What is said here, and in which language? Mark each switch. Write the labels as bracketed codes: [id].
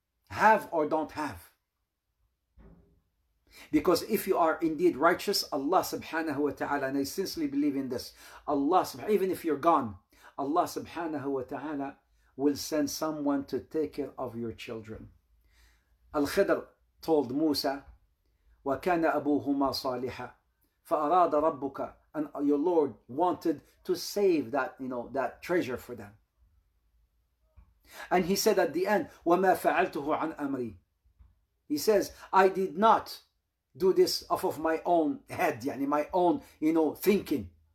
[en] Have or don't have. Because if you are indeed righteous, Allah subhanahu wa ta'ala, and I sincerely believe in this, even if you're gone, Allah subhanahu wa ta'ala will send someone to take care of your children. [ar] Al-Khidr [en] told [ar] Musa, وَكَانَ أَبُوهُمَا صَالِحًا فَأَرَادَ رَبُّكَ. [en] And your Lord wanted to save that, that treasure for them. And he said at the end, [ar] وَمَا فَعَلْتُهُ عَنْ أَمْرِي. [en] He says, I did not do this off of my own head, my own, thinking.